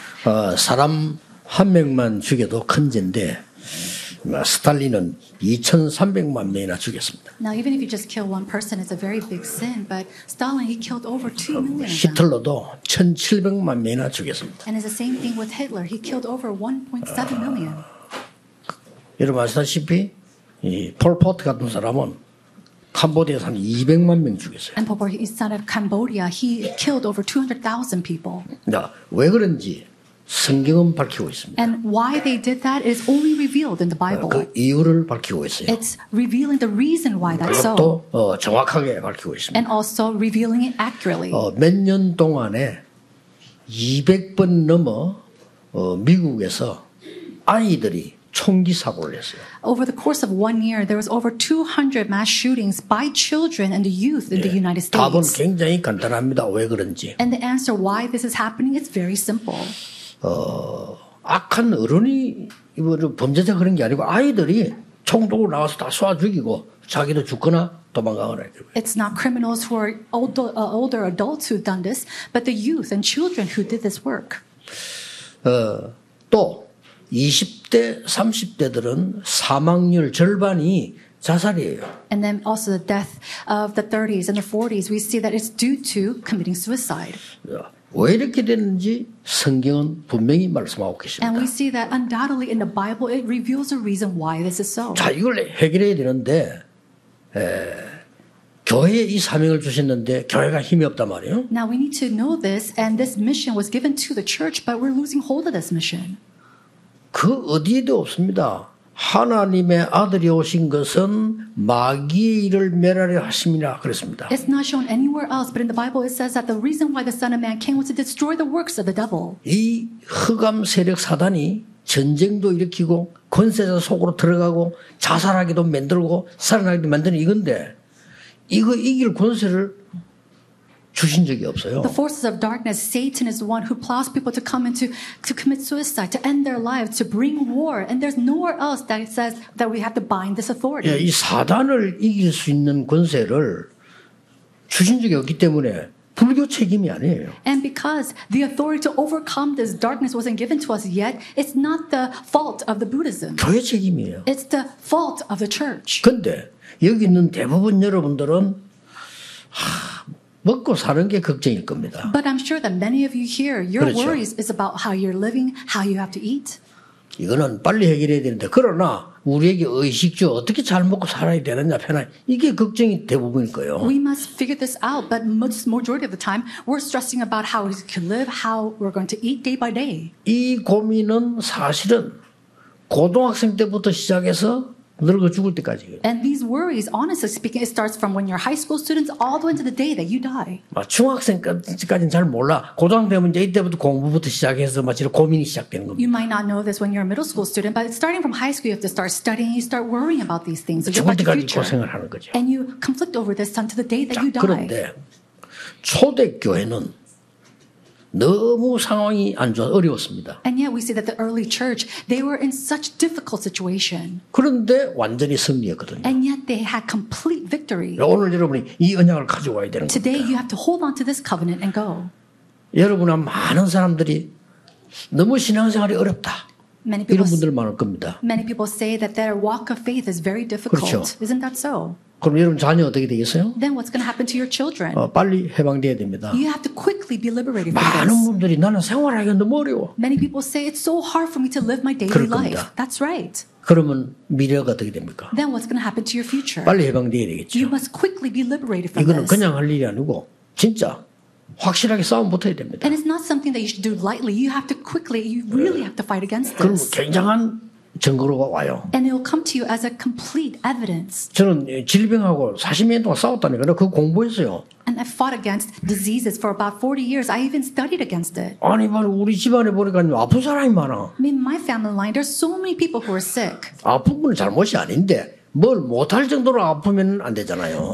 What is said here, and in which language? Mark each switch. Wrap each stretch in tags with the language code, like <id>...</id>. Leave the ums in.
<ko>어, 사람 한 명만 죽여도 큰 죄인데 스탈린은 2,300만 명이나 죽였습니다.</ko> <en>Now even if you just kill one person, it's a very big sin. But Stalin he killed over 2 million.</en> <ko>히틀러도 1,700만 명이나 죽였습니다.</ko> <en>And it's the same thing with Hitler. He killed over 1.7 million. 어,</en> <ko>여러분 아시다시피 이폴 포트 같은 사람은 캄보디아 사람 200만 명 죽였어요.</ko> <en>And Pol Pot, son of Cambodia, he killed over 200,000 people.</en> <ko>자, 왜 그런지 성경은 밝히고 있습니다.</ko> <en>And why they did that is only revealed in the Bible. 그</en> <ko>이유를 밝히고 있어요.</ko> <en>It's revealing the reason why that's so.</en> <ko>그것도 어, 정확하게 밝히고 있습니다.</ko> <en>And also revealing it accurately.</en> <ko>어, 몇년 동안에 200번 넘어 어, 미국에서 아이들이 총기 사고를 했어요.</ko> <en>Over the course of one year, there was over 200 mass shootings by children and the youth in 예, the United States.</en> <ko>답은 굉장히 간단합니다. 왜 그런지.</ko> <en>And the answer why this is happening is very simple.</en> <ko>어, 악한 어른이 이거 범죄자 그런 게 아니고 아이들이 총도로 나와서 다 쏴 죽이고 자기도 죽거나.</ko> <en>It's not criminals who are older, uh, older adults who've done this, but the youth and children who did this work.</en> <ko>어, 또 20대, 30대들은 사망률 절반이 자살이에요.</ko> <en>And then also the death of the 30s and the 40s, we see that it's due to committing suicide.</en> <ko>왜 이렇게 되는지 성경은 분명히 말씀하고 계십니다.</ko> <en>And we see that undoubtedly in the Bible, it reveals a reason why this is so.</en> <ko>자, 이걸 해결해야 되는데. 에... 교회에 이 사명을 주셨는데 교회가 힘이 없단 말이에요.</ko> <en>Now we need to know this and this mission was given to the church but we're losing hold of this mission.</en> <ko>그 어디에도 없습니다. 하나님의 아들이 오신 것은 마귀의 일을 멸하려 하심이라 그랬습니다.</ko> <en>It's not shown anywhere else, but in the Bible it says that the reason why the Son of Man came was to destroy the works of the devil.</en> <ko>이 흑암 세력 사단이 전쟁도 일으키고 권세자 속으로 들어가고 자살하기도 만들고 살아나기도 만드는 이건데 이거 이길 권세를 주신 적이 없어요.</ko> <en>The forces of darkness, Satan is the one who plots people to come into to commit suicide, to end their lives, to bring war. And there's nowhere else that it says that we have to bind this authority.</en> <ko>예, 이 사단을 이길 수 있는 권세를 주신 적이 없기 때문에 불교 책임이 아니에요.</ko> <en>And because the authority to overcome this darkness wasn't given to us yet, it's not the fault of the Buddhism.</en> <ko>교회 책임이에요.</ko> <en>It's the fault of the church.</en> <ko>근데 여기 있는 대부분 여러분들은 하, 먹고 사는 게 걱정일 겁니다.</ko> <en>But I'm sure that many of you here, your</en> <ko>그렇죠.</ko> <en>worries is about how you're living, how you have to eat.</en> <ko>이거는 빨리 해결해야 되는데 그러나 우리에게 의식주 어떻게 잘 먹고 살아야 되느냐 편한 이게 걱정이 대부분일 거예요.</ko> <en>We must figure this out, but much majority of the time we're stressing about how we can live, how we're going to eat day by day.</en> <ko>이 고민은 사실은 고등학생 때부터 시작해서 늙어 죽을 때까지.</ko> <en>And these worries, honestly speaking, it starts from when you're high school students all the way to the day that you die.</en> <ko>막 중학생까지는 잘 몰라. 고등학 되면 이제 이때부터 공부부터 시작해서 막 이런 고민이 시작되는 겁니다.</ko> <en>You might not know this when you're a middle school student, but starting from high school, you have to start studying. You start worrying about these things.</en> <ko>죽을 때까지 고생을 하는 거죠.</ko> <en>And you conflict over this until the day that 자, you die.</en> <ko>그런데 초대교회는 너무 상황이 안 좋아 어려웠습니다.</ko> <en>And yet we see that the early church they were in such difficult situation.</en> <ko>그런데 완전히 승리했거든요.</ko> <en>And yet they had complete victory.</en> <ko>오늘 여러분이 이 언약을 가져와야 되는 거예요.</ko> <en>Today you have to hold on to this covenant and go.</en> <ko>여러분 많은 사람들이 너무 신앙생활이 어렵다. 이런 분들 많을 겁니다.</ko> <en>Many people say that their walk of faith is very difficult.</en> <ko>그렇죠.</ko> <en>Isn't that so?</en> <ko>그럼 여러분 자녀 어떻게 되겠어요?</ko> <en>Then what's going to happen to your children?</en> <ko>어, 빨리 해방돼야 됩니다.</ko> <en>You have to quickly be liberated.</en> <ko>많은 분들이 나는 생활하기도 어려워.</ko> <en>Many people say it's so hard for me to live my daily life. That's right.</en> <ko>그러면 미래가 어떻게 됩니까?</ko> <en>Then what's going to happen to your future?</en> <ko>빨리 해방돼야 되겠죠.</ko> <en>You must quickly be liberated from this.</en> <ko>이거는 그냥 할 일이 아니고 진짜 확실하게 싸움 붙어야 됩니다.</ko> <en>And it's not something that you should do lightly. You have to quickly. You really 네. have to fight against this.</en> <ko>그럼 굉장한 증거로가 와요.</ko> <en>And it will come to you as a complete evidence.</en> <ko>저는 질병하고 40년 동안 싸웠다니까요. 그 공부했어요.</ko> <en>And I fought against diseases for about 40 years. I even studied against it.</en> <ko>아니 말이 우리 집안에 보니까 아픈 사람이 많아.</ko> <en>I mean, my family line, there's so many people who are sick.</en> <ko>아픈 건 잘못이 아닌데. 뭘 못 할 정도로 아프면 안 되잖아요.</ko>